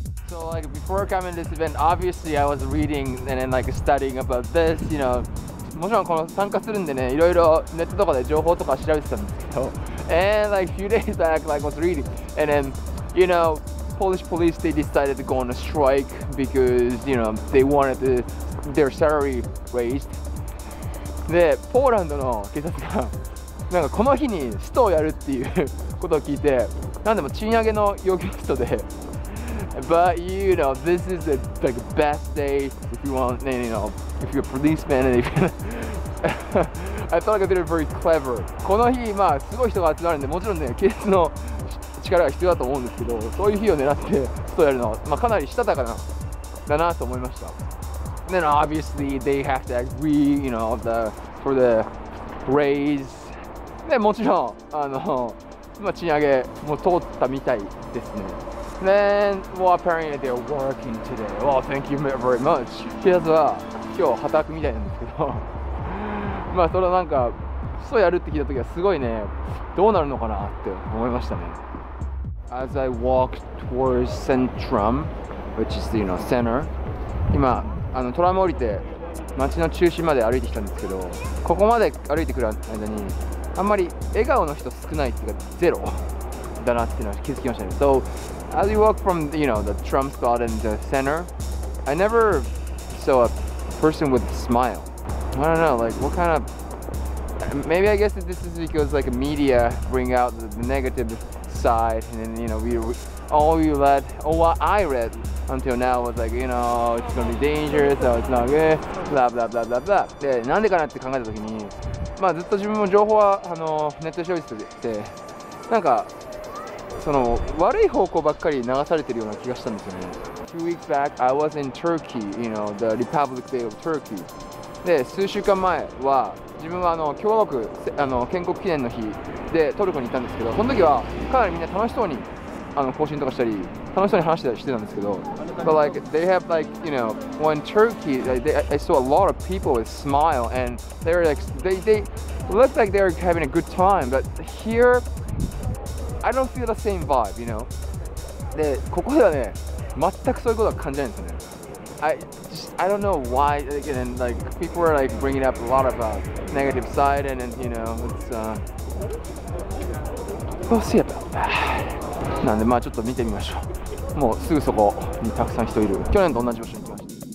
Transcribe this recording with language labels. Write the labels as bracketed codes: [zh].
[en] Like before coming to this event, obviously I was reading and then like studying about this, you know. [ja] もちろんこの参加するんでね、いろいろネットとかで情報とか調べてたんですけど。 [en] And like a few days back, like was reading, and then you know, Polish police they decided to go on a strike because you know they wanted to, their salary raised. [ja] で、ポーランドの警察がなんかこの日にストをやるっていうことを聞いて、なんでも賃上げの要求ストで。 [en] But you know, this is the like, best day if you want, you know, if you're a policeman and if I thought like I did it very clever. [ja] この日、まあ、すごい人が集まるんで、もちろんね、警察の力が必要だと思うんですけど、そういう日を狙って、そうやるのは、まあ、かなりしたたかな、だなと思いました。 [en] Then obviously they have to agree, you know, the, for the raise. [ja] で、もちろん、あの、まあ、賃上げも通ったみたいですね。 [en] Then, well, apparently they're working today. Well, thank you very much. [ja] 警察は今日働くみたいなんですけど、まあそれなんかそうやるって聞いた時はすごいね、どうなるのかなって思いましたね。 [en] As I walk towards Centrum, which is the, you know, center, [ja] 今あのトラム降りて街の中心まで歩いてきたんですけど、ここまで歩いてくる間にあんまり笑顔の人少ないっていうかゼロだなっていうのは気づきましたね。 [en] So,As you walk from, you know, the Trump spot in the center, I never saw a person with a smile. I don't know, like, what kind of... Maybe I guess that this is because, like, media bring out the negative side, and then, you know, what I read until now was like, you know, it's gonna be dangerous, so it's not good, blah, blah, blah, blah, blah. [ja] で、なんでかなって考えた時に、まあ、ずっと自分も情報は、あの、ネットで調べてて、で、なんか、その悪い方向ばっかり流されてるような気がしたんですよね。 [en] 2 weeks back, I was in Turkey, you know, the Republic Day of Turkey. [ja] で、数週間前は、自分はあの共和国あの建国記念の日でトルコにいたんですけど、その時はかなりみんな楽しそうにあの更新とかしたり、楽しそうに話したりしてたんですけど。 [en] But like, they have like, you know, when Turkey, like, I saw a lot of people with smile and they're like, they look like they're having a good time, but here,I don't feel the same vibe, you know? [ja] で、ここではね、全くそういうことは感じないんですよね。 [en] I don't know why, like, and then, like, people are like, bringing up a lot of negative side, and then, you know, it's... We'll see about that. [ja] なんで、まあちょっと見てみましょう。もうすぐそこにたくさん人いる。去年と同じ場所に来ました。